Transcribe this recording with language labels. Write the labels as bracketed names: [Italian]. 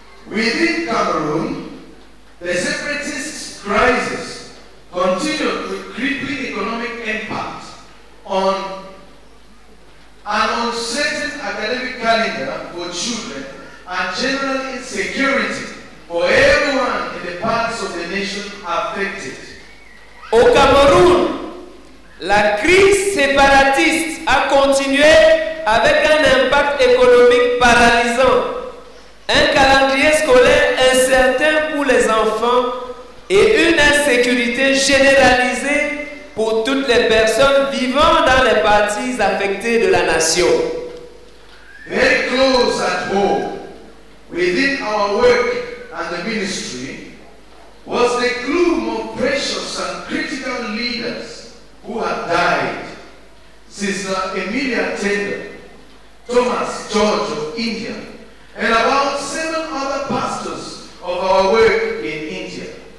[English] Within Cameroon, the separatist crisis continued with crippling economic impact on an uncertain academic calendar for children and general insecurity for everyone in the parts of the nation affected. [French] Au Cameroun, la crise séparatiste a continué avec un impact économique paralysant, un calendrier scolaire incertain pour les enfants et une insécurité généralisée pour toutes les personnes vivant dans les parties affectées de la nation. [English] Very close at home, within our work and the ministry, was the gloom of precious and critical leaders who had died. Sister Emilia Tender, Thomas George of India, and about 7 other pastors of our work in India.